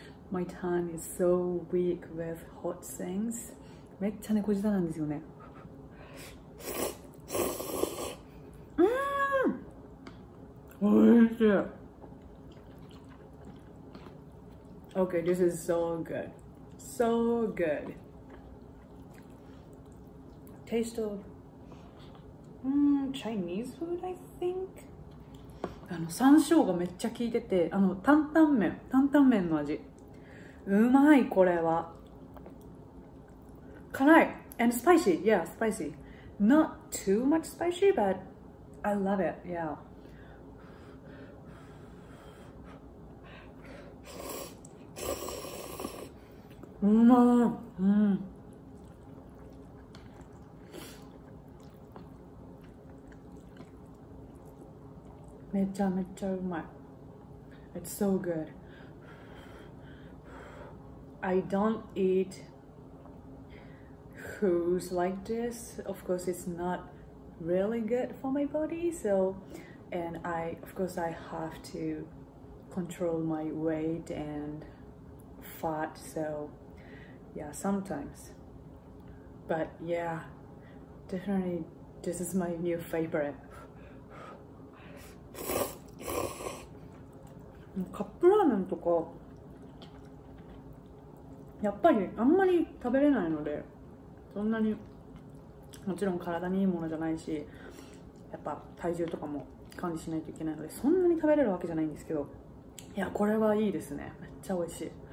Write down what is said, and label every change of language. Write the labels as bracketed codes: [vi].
[en] My tongue is so weak with hot things。 [ja] めっちゃ猫舌なんですよね。うーん、おいしい。 [en] Okay, this is so good. So good. Taste of、Chinese food, I think。 [ja] あの山椒がめっちゃ効いてて、あの担々麺の味、うまい。これは辛い [en] and spicy。Yeah, spicy. Not too much spicy, but I love it. Yeah. [ja] うまー、うん、めちゃめちゃうまい。 [en] It's so good. I don't eat foods like this. Of course, it's not really good for my body. So, and I, of course, I have to control my weight and fat. So, yeah, sometimes. But yeah, definitely, this is my new favorite. [ja] カップラーメンとかやっぱりあんまり食べれないので、そんなにもちろん体にいいものじゃないし、やっぱ体重とかも管理しないといけないので、そんなに食べれるわけじゃないんですけど、いや、これはいいですね。めっちゃ美味しい。